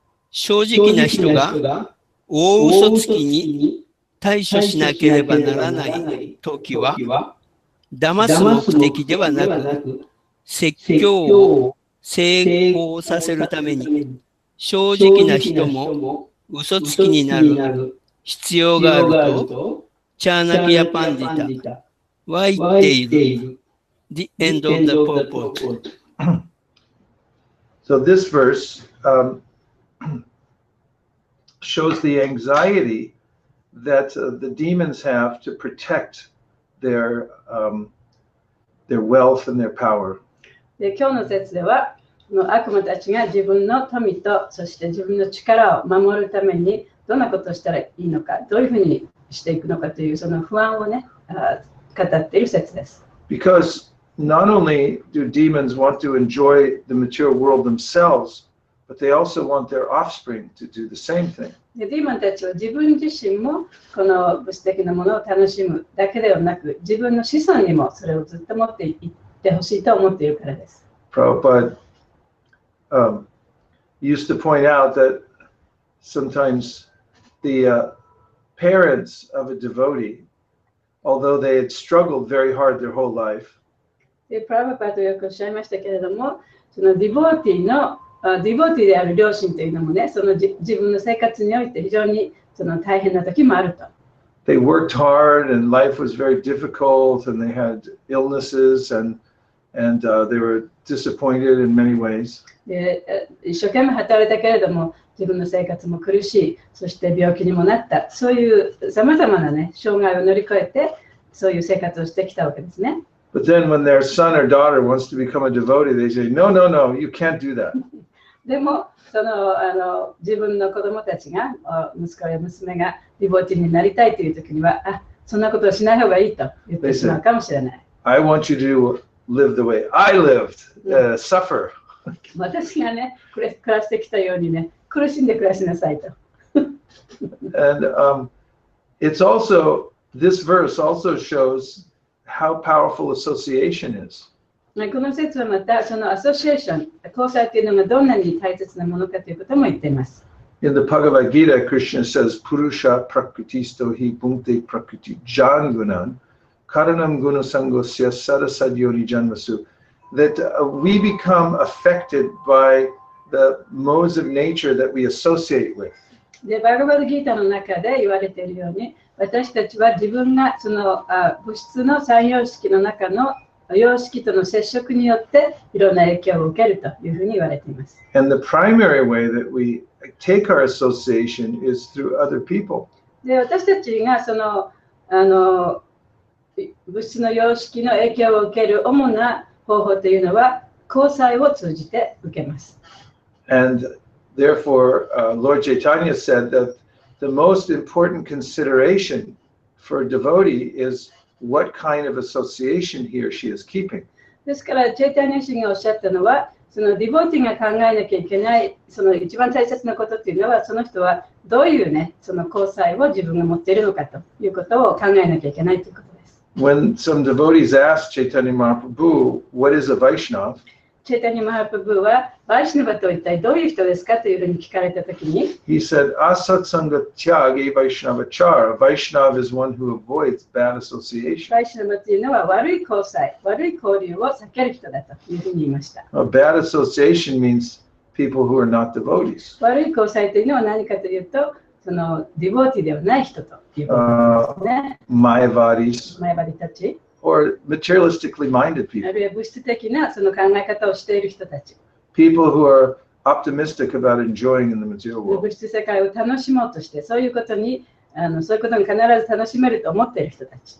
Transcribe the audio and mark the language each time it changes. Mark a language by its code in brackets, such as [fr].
[ja] 正直な人が大嘘つきに対処しなければならない時は、騙す目的ではなく説教を成功させるために正直な人も嘘つきになる必要があると、チャーナキヤパンディタは言っている。 [en] The end of the purport. So this verse shows the anxiety that the demons have to protect their wealth and their power. [ja] で、今日の説では悪魔たちが自分の富とそして自分の力を守るためにどんなことをしたらいいのか、どういうふうにしていくのかというその不安をね、語っている説です。 [en] Because not only do demons want to enjoy the material world themselves, But they also want their offspring to do the same thing. [ja] で、ディーマンたちは自分自身もこの物質的なものを楽しむだけではなく、自分の子孫にもそれをずっと持っていってほしいと思っているからです。 [en] Prabhupada used to point out that sometimes the parents of a devotee, although they had struggled very hard their whole life, [ja] で、プラヴァパドよくおっしゃいましたけれども、そのディボーティーのディボーティーである両親というのもね、その自分の生活において非常にその大変な時もあると。 [en] They worked hard and life was very difficult and they had illnesses and they were disappointed in many ways. [ja] 一生懸命働いたけれども、自分の生活も苦しい、そして病気にもなった、そういうさまざまなね、障害を乗り越えて、そういう生活をしてきたわけですね。 [en] But then when their son or daughter wants to become a devotee, they say, no, no, no, you can't do that. [ja] でも、その、あの、自分の子供たちが、息子や娘がディボーティーになりたいという時には、あ、そんなことをしない方がいいと言ってしまうかもしれない。 [en] I want you to live the way I lived, suffer. [ja] 私がね、暮らしてきたようにね、苦しんで暮らしなさいと。 [en] And it's also, this verse also showsHow powerful association is. [ja] この節はまたそのアソシエーション、交際というのがどんなに大切なものかということも言っています。 [en] In the Bhagavad Gita, Krishna says, [sa] Purusha prakritisto hi bhunte prakriti jangunan karanam guna sangosya sarasadyoni janmasu. [en] That we become affected by the modes of nature that we associate with. [ja] で、バガヴァッド・ギータの中で言われているように、私たちは自分がその物質の三様式の中の様式との接触によっていろんな影響を受けるというふうに言われています。 [en] And the primary way that we take our association is through other people. [ja] で、私たちがその、あの、物質の様式の影響を受ける主な方法というのは、交際を通じて受けます。 [en] And therefore, Lord Chaitanya said that. The most important consideration for a devotee is what kind of association he or she is keeping. [ja] ですから、チェイタニア氏がおっしゃったのは、そのディボーティが考えなきゃいけない、その一番大切なことっていうのは、その人はどういうね、その交際を自分が持っているのかということを考えなきゃいけないということです。 [en] When some devotees ask Chaitanya Mahaprabhu, what is a Vaishnav? [ja] チェイタニア・マハプブーは、バイシナバとは一体どういう人ですかというふうに聞かれたときに、 [en] He said, [bn] Asat Sangat Tyag e Vaishnava Char. [en] A Vaishnava is one who avoids bad association. [ja] バイシナバというのは悪い交際、悪い交流を避ける人だというふうに言いました。 [en] A bad association means people who are not devotees. [ja] 悪い交際というのは何かというと、そのディボーティではない人ということですね。 [en] Mayavadis. [ja] Mayavadi たち。 [en] Or materialistically minded people. [ja] あるいは物質的なその考え方をしている人たち。 [en] People who are optimistic about enjoying in the material world. [ja] 物質世界を楽しもうとして、そういうことに、あの、そういうことに必ず楽しめると思っている人たち。